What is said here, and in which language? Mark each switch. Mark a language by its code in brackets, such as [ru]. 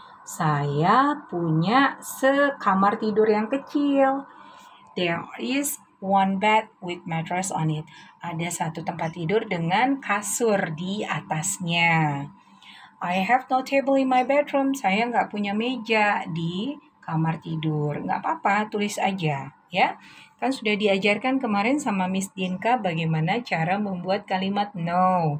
[id] Saya punya sekamar tidur yang kecil. [en] There is one bed with mattress on it. [id] Ada satu tempat tidur dengan kasur di atasnya. [en] I have no table in my bedroom. [id] Saya nggak punya meja di kamar tidur. Nggak apa-apa, tulis aja, ya. Kan sudah diajarkan kemarin sama Miss Dinka bagaimana cara membuat kalimat no.